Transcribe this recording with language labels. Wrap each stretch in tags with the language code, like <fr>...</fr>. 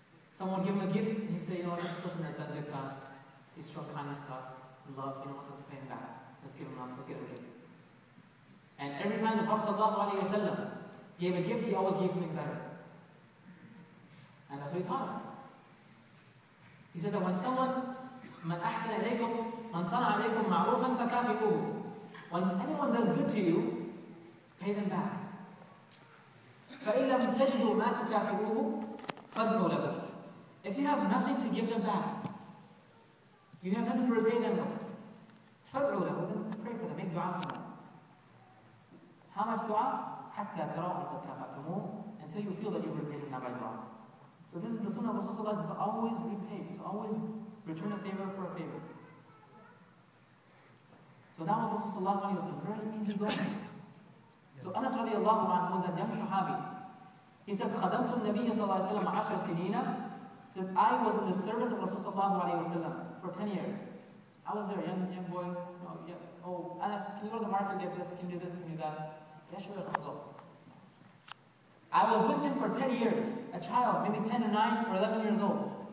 <en>Someone give him a gift, and he say, you know, this person has done good to us. He struck kindness to us. Love, you know, let's pay him back. Let's give him love. Let's give him a gift. And every time the Prophet sallallahu alayhi wa sallam gave a gift, he always gave something better. And that's what he taught us. He said that when someone</en> <ar>من أحسن إليكم من صنع عليكم معروفا فكافئوه.</ar> <en>When anyone does good to you, pay them back.</en> <ar>فإن لم تجدوا ما تكافئوه فاذنوا له.</ar> <en>If you have nothing to give them back, you have nothing to repay them with,</en> <ar>فادعوا له,</ar> <en>pray for them, make dua for them. How much dua?</en> <ar>حتى تروا أنكم كافأتموه,</ar> <en>until you feel that you repay them by dua. So this is the sunnah of Rasulullah, to always repay, to always return a favor for a favor. So that was Rasulullah when he was a very easy blessing. So Anas radiallahu anhu was a young Sahabi. He says,</en> <ar>خَدَمْتُمْ نَبِيَّ صَلَّى اللَّهِ وَسَلَّمَ عَشَرَ سِنِينَ.</ar> <en>He said, I was in the service of Rasulullah for 10 years. I was there, young boy. No, yeah. Oh, Anas, can you go to the market, get this, can you do this, can you do that? Yeah, sure, Rasulullah. I was with him for 10 years, a child, maybe 10 or 9 or 11 years old.</en>